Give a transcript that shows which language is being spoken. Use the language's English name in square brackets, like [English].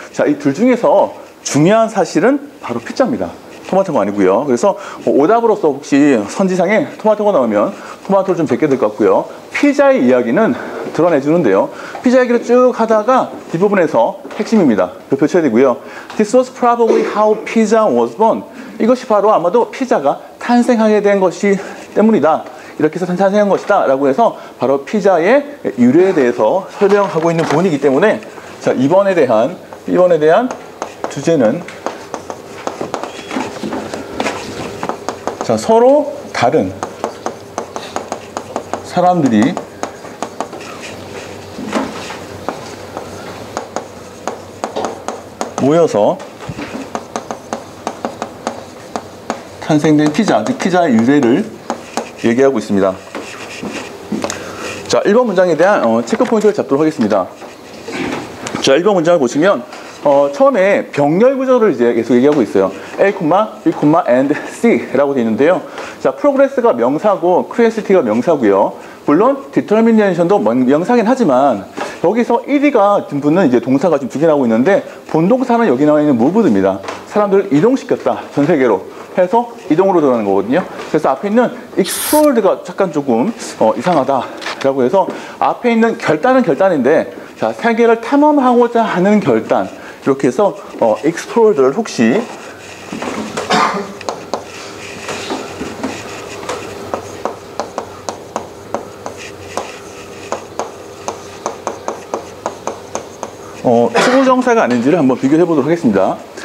[Korean] 자, 이 둘 중에서 중요한 사실은 바로 피자입니다. 토마토가 아니고요. 그래서 오답으로서 혹시 선지상에 토마토가 나오면 토마토를 좀 뵙게 될 것 같고요. 피자의 이야기는 드러내주는데요. 피자 얘기를 쭉 하다가 뒷부분에서 핵심입니다. 펼쳐야 되고요. [English] This was probably how pizza was born. [Korean] 이것이 바로 아마도 피자가 탄생하게 된 것이 때문이다. 이렇게 해서 탄생한 것이다. 라고 해서 바로 피자의 유래에 대해서 설명하고 있는 부분이기 때문에 자, 2번에 대한 주제는 자, 서로 다른 사람들이 모여서 탄생된 피자, 즉 피자의 유래를 얘기하고 있습니다. 자, 1번 문장에 대한 체크 포인트를 잡도록 하겠습니다. 자, 1번 문장을 보시면 처음에 병렬 구조를 이제 계속 얘기하고 있어요. A, B, and C라고 되어 있는데요. 자, progress가 명사고 quantity가 명사고요. 물론 determination도 명사긴 하지만 여기서 ed가 붙는 이제 동사가 지금 두 개 나오고 있는데 본동사는 여기 나와 있는 moved입니다. 사람들을 이동시켰다. 전 세계로 해서 이동으로 들어가는 거거든요. 그래서 앞에 있는 explored가 잠깐 조금 이상하다라고 해서 앞에 있는 결단은 결단인데 자, 세계를 탐험하고자 하는 결단 이렇게 해서 explored를 혹시 수부정사가 아닌지를 한번 비교해 보도록 하겠습니다.